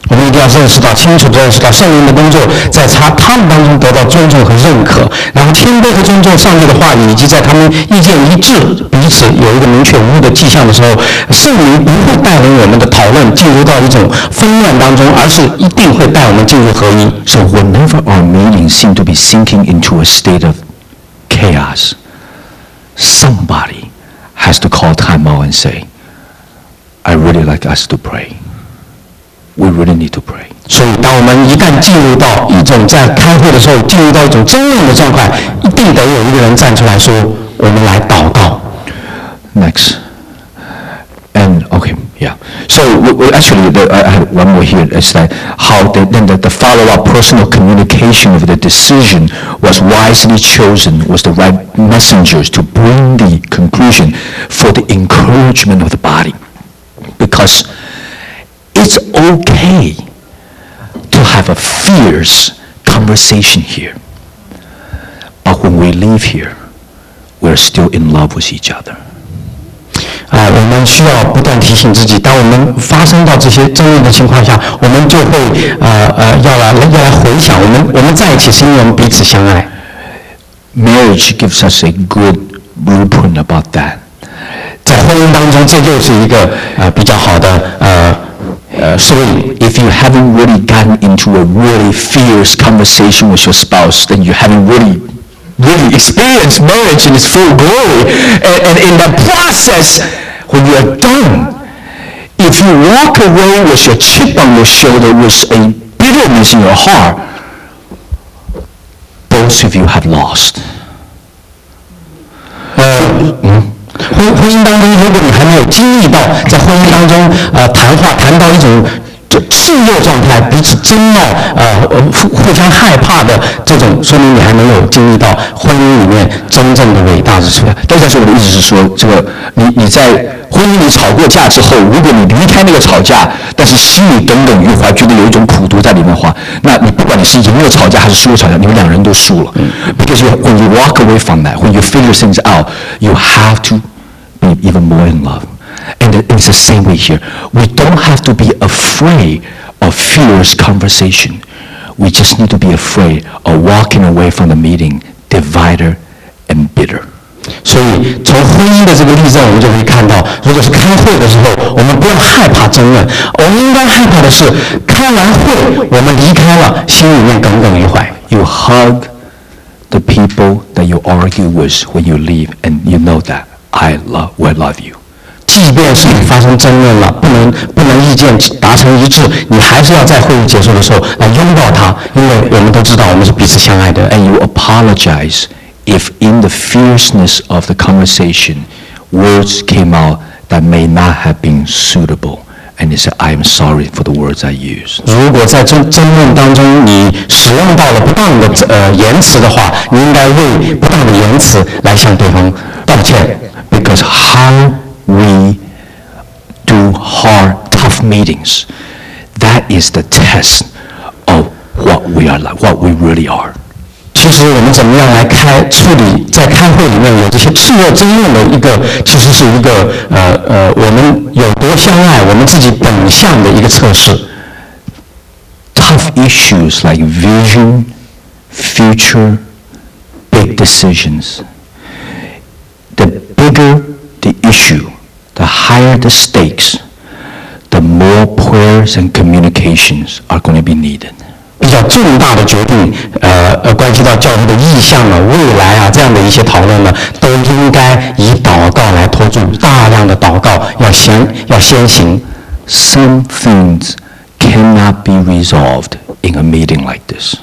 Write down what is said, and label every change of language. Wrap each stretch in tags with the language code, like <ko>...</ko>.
<zh>我们一定要认识到，清楚认识到圣灵的工作在他们当中得到尊重和认可，然后谦卑和尊重上帝的话语，以及在他们意见一致，彼此有一个明确无误的迹象的时候，圣灵不会带领我们的讨论进入到一种纷乱当中，而是一定会带我们进入合一。</zh> <en>So whenever our meetings seem to be sinking into a state of chaos, somebody has to call time out and say, I really like us to prayWe really need to pray.</en> <zh>所以，当我们一旦进入到一种在开会的时候，进入到一种争论的状态，一定得有一个人站出来说：“我们来祷告。”</zh> <en>Next, and okay, yeah. So we actually, I have one more here. Is that how the follow-up personal communication of the decision was wisely chosen? Was the right messengers to bring the conclusion for the encouragement of the body? Because. It's okay to have a fierce conversation here. But when we leave here, we're still in love with each other.</en> <zh>我们需要不断提醒自己，当我们发生到这些争论的情况下，我们就会要来回想，我们在一起是因为我们彼此相爱。</zh> <en>Marriage gives us a good blueprint about that.</en> <zh>在婚姻当中，这就是一个比较好的</zh> <en>So if you haven't really gotten into a really fierce conversation with your spouse, then you haven't really experienced marriage in its full glory. And in that process, when you are done, if you walk away with your chip on your shoulder, with a bitterness in your heart, both of you have lost.</en> <zh>婚姻当中，如果你还没有经历到在婚姻当中，谈话谈到一种炽热状态，彼此争闹，互相害怕的这种，说明你还没有经历到婚姻里面真正的伟大之处。但是我的意思是说，这个你在婚姻里吵过架之后，如果你离开那个吵架，但是心里耿耿于怀，觉得有一种苦毒在里面的话，那你不管你是赢了吵架还是输了吵架，你们两人都输了。</zh> <en>Because when you walk away from that, when you figure things out, you have to. Even more in love. And it's the same way here. We don't have to be afraid of fierce conversation. We just need to be afraid of walking away from the meeting divided and bitter.</en> <zh>所以从婚姻的这个例证我们就可以看到，如果是开会的时候，我们不要害怕争论，我们应该害怕的是开完会我们离开了心里面耿耿于怀。</zh> <en>You hug the people that you argue with when you leave and you know thatWe love you.</en> <zh>即便是你发生争论了，不能意见达成一致，你还是要在会议结束的时候来拥抱他，因为我们都知道我们是彼此相爱的。</zh> <en>And you apologize if in the fierceness of the conversation, words came out that may not have been suitable. And he said, I am sorry for the words I use.</en> <zh>如果在争论当中你使用到了不当的言辞的话，你应该为不当的言辞来向对方道歉。</zh> <en>Because how we do hard, tough meetings, that is the test of what we are like, what we really are.</en> <zh>其实我们怎么样来处理在开会里面有这些炽热争论的一个，其实是一个我们有多相爱，我们自己本相的一个测试。</zh> <en>issues like vision, future, big decisions. The bigger the issue, the higher the stakes, the more prayers and communications are going to be needed.</en> <zh>比较重大的决定，关系到教会的意向啊、未来啊，这样的一些讨论呢，都应该以祷告来托住，大量的祷告要先行。</zh> <en>Some things cannot be resolved in a meeting like this.</en>